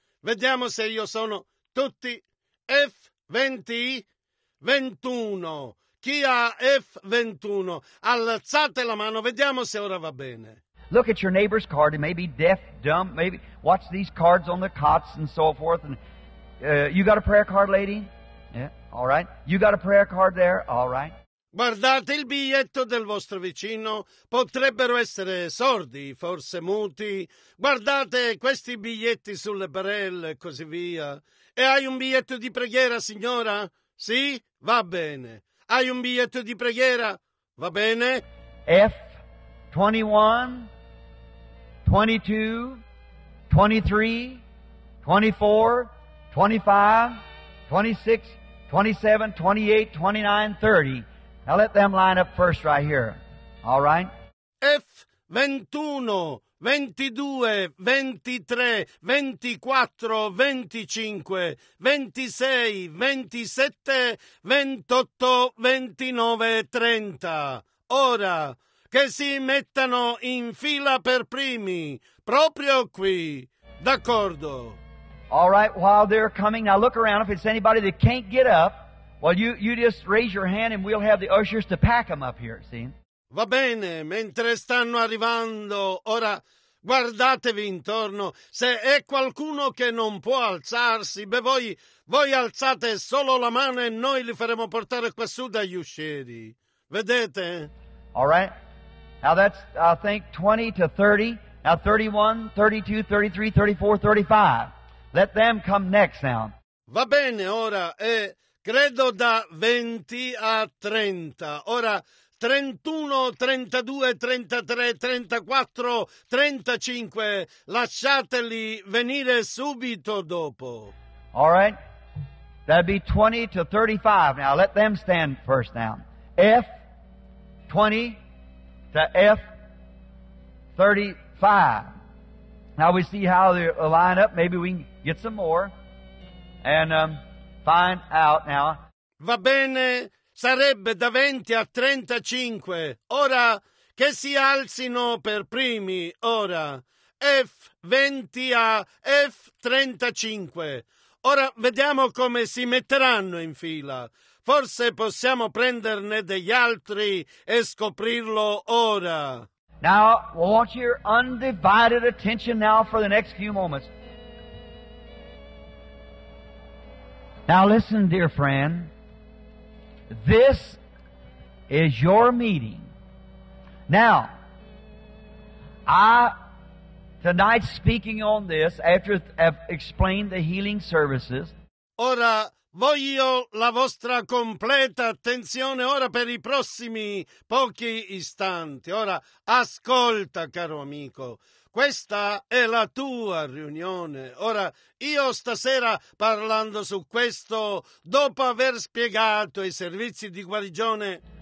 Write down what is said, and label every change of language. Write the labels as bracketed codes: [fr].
[it] Vediamo se io sono tutti F20. 21. Chi ha F21? Alzate la mano, vediamo se ora va bene. [en] Look at your neighbor's card. It may be deaf, dumb, maybe. Watch these cards on the cots and so forth. And you got a prayer card, lady? Yeah, all right. You got a prayer card there? All right. [it] Guardate il biglietto del vostro vicino, potrebbero essere sordi, forse muti. Guardate questi biglietti sulle barelle e così via. E hai un biglietto di preghiera, signora? Sì? Va bene. Hai un biglietto di preghiera? Va bene. [en] F21, 22, 23, 24, 25, 26, 27, 28, 29, 30. Now let them line up first right here. All right? F21, 22, 23, 24, 25, 26, 27, 28, 29, 30. [it] Ora, che si mettano in fila per primi, proprio qui. D'accordo. [en] All right, while they're coming, now look around. If it's anybody that can't get up, well, you just raise your hand and we'll have the ushers to pack them up here, see? [it] Va bene, mentre stanno arrivando, ora guardatevi intorno. Se è qualcuno che non può alzarsi, beh, voi alzate solo la mano e noi li faremo portare quassù dagli uscieri. Vedete? [en] All right. Now that's, I think, 20 to 30. Now 31, 32, 33, 34, 35. Let them come next now. [it] Va bene, ora è... Credo da 20 a 30. Ora 31, 32, 33, 34, 35. Lasciateli venire subito dopo. [en] All right. That'd be 20 to 35. Now let them stand first now. F 20 to F 35. Now we see how they line up. Maybe we can get some more. And find out now. [it] Va bene, sarebbe da 20 a 35. Ora che si alzino per primi, ora. F20 a F35. Ora vediamo come si metteranno in fila. Forse possiamo prenderne degli altri e scoprirlo ora. [en] Now, we want your undivided attention now for the next few moments. Now listen, dear friend, this is your meeting. Now, I, tonight speaking on this, after I've explained the healing services. [it] Ora, voglio la vostra completa attenzione ora per i prossimi pochi istanti. Ora, ascolta, caro amico. Questa è la tua riunione. Ora, io stasera parlando su questo, dopo aver spiegato i servizi di guarigione...